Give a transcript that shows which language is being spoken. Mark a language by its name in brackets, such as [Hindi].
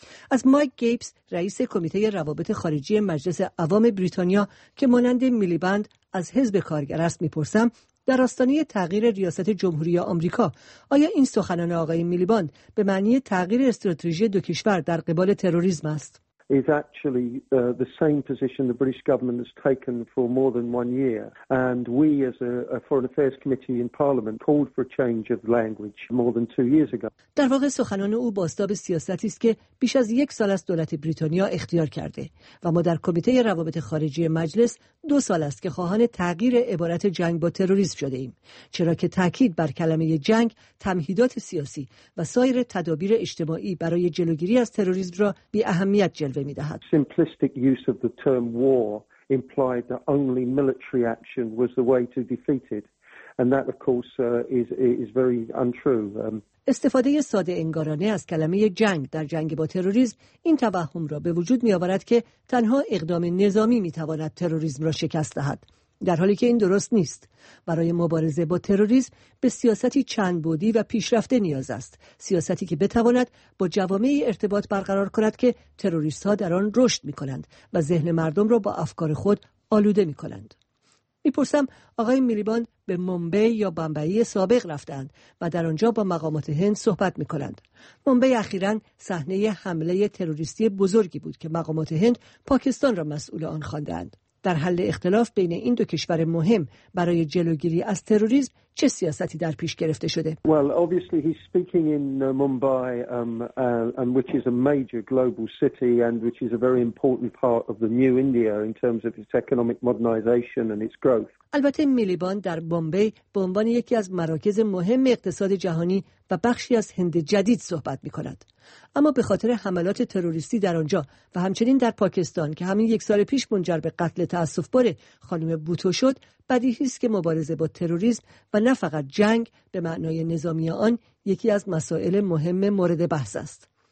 [Persian] از مایک گیبز رئیس کمیته روابط خارجی مجلس عوام بریتانیا که مانند میلوبند از حزب کارگر است میپرسم در آستانه تغییر ریاست جمهوری آمریکا آیا این سخنان آقای میلوبند به معنی تغییر استراتژی دو کشور در قبال تروریسم است؟ [English] is actually the same position the British government has taken for more than one year and we as a foreign affairs committee in parliament called for a change of language more than two years ago. [Persian] در واقع سخنان او بازتاب سیاستی است که بیش از یک سال است دولت بریتانیا اختیار کرده و ما در کمیته روابط خارجی مجلس دو سال است که خواهان تغییر عبارت جنگ با تروریسم شده ایم، چرا که تاکید بر کلمه جنگ تمهیدات سیاسی و سایر تدابیر اجتماعی برای جلوگیری از تروریسم را بی اهمیت جلوه می‌دهد. [English] Simplistic use of the term war implied that only military action was the way to defeat it, and that, of course, is very untrue. [Persian] استفاده ساده انگارانه از کلمه جنگ در جنگ با تروریسم این توهم را به وجود می‌آورد که تنها اقدام نظامی می‌تواند تروریسم را شکست دهد، در حالی که این درست نیست. برای مبارزه با تروریسم به سیاستی چند بعدی و پیشرفته نیاز است، سیاستی که بتواند با جوامعی ارتباط برقرار کند که تروریست ها در آن رشد می کنند و ذهن مردم را با افکار خود آلوده می کنند. می پرسم آقای میلوبند به ممبی یا بمبئی سابق رفتند و در آنجا با مقامات هند صحبت می کنند. ممبی اخیراً صحنه حمله تروریستی بزرگی بود که مقامات هند پاکستان را مسئول آن خواندند. در حل اختلاف بین این دو کشور مهم برای جلوگیری از تروریسم چه سیاستی در پیش گرفته شده؟ [English] Well, obviously he's speaking in Mumbai, and which is a major global city and which is a very important part of the new India in terms of its economic modernization and its growth. [Persian] البته میلوبند در بمبی به عنوان یکی از مراکز مهم اقتصاد جهانی و بخشی از هند جدید صحبت می کند. اما به خاطر حملات تروریستی در آنجا و همچنین در پاکستان که همین یک سال پیش منجر به قتل تأسف بار خانم بوتو شد، بدیهی است که مبارزه با تروریسم و نه فقط جنگ به معنای نظامی آن یکی از مسائل مهم مورد بحث است.